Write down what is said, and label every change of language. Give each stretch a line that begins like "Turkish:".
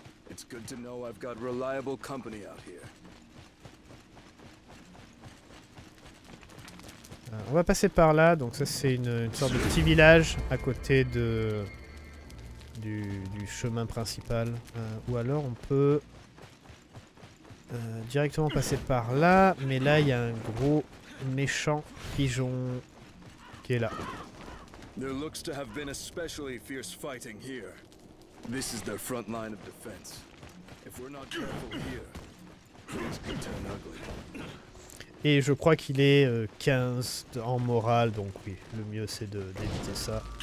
English: It's good to know I've got reliable company out here.
French: On va passer par là, donc ça c'est une sorte de petit village à côté de du chemin principal. Ou alors on peut Directement passer par là, mais là il y a un gros méchant pigeon qui est là.
English: There looks to have been especially fierce fighting here. This is their front line of defense. If we're not careful here, things could turn ugly.
French: Et je crois qu'il est 15 en morale, donc oui, le mieux c'est d'éviter ça.